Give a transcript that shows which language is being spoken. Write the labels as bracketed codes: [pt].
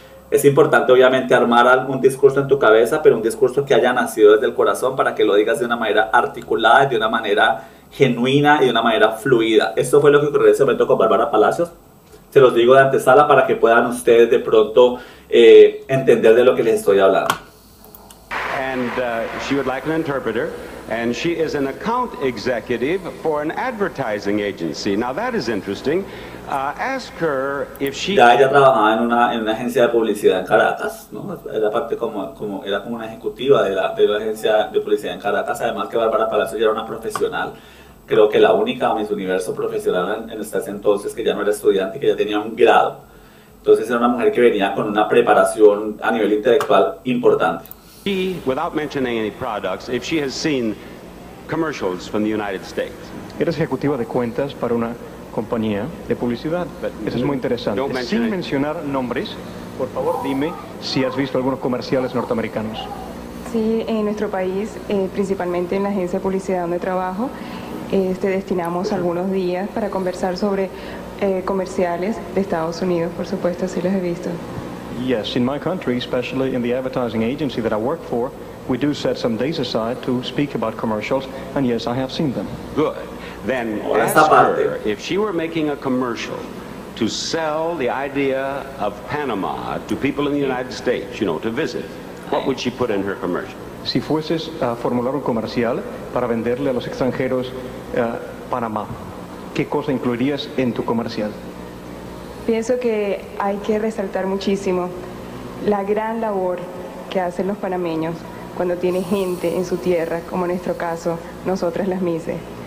[es] Es importante, obviamente, armar un discurso en tu cabeza, pero un discurso que haya nacido desde el corazón para que lo digas de una manera articulada y de una manera genuina y de una manera fluida. Esto fue lo que ocurrió en ese momento con Bárbara Palacios. Se los digo de antesala para que puedan ustedes de pronto entender de lo que les estoy hablando. [en] And she would like an interpreter, and she is an account executive for an advertising agency. Now that is interesting. Ask her if she. [es] Ya ella trabajaba en una agencia de publicidad en Caracas, ¿no? Era parte como era como una ejecutiva de la agencia de publicidad en Caracas. Además que Bárbara Palacios ya era una profesional, creo que la única Miss Universo profesional en ese entonces, que ya no era estudiante, que ya tenía un grado. Entonces era una mujer que venía con una preparación a nivel intelectual importante. [en] She, without mentioning any products, if she has seen commercials from the United States. [es] Eres ejecutiva de cuentas para una compañía de publicidad. Eso es muy interesante. Sin mencionar nombres, por favor, dime si has visto algunos comerciales norteamericanos. Sí, en nuestro país, principalmente en la agencia de publicidad donde trabajo, destinamos algunos días para conversar sobre comerciales de Estados Unidos, por supuesto, sí los he visto. [en] Yes, in my country, especially in the advertising agency that I work for, we do set some days aside to speak about commercials, and yes, I have seen them. Good. Then ask her if she were making a commercial to sell the idea of Panama to people in the United States, you know, to visit, what would she put in her commercial? [es] Si fueses a formular un comercial para venderle a los extranjeros Panamá, ¿qué cosa incluirías en tu comercial? Pienso que hay que resaltar muchísimo la gran labor que hacen los panameños cuando tienen gente en su tierra, como en nuestro caso, nosotras las Mises.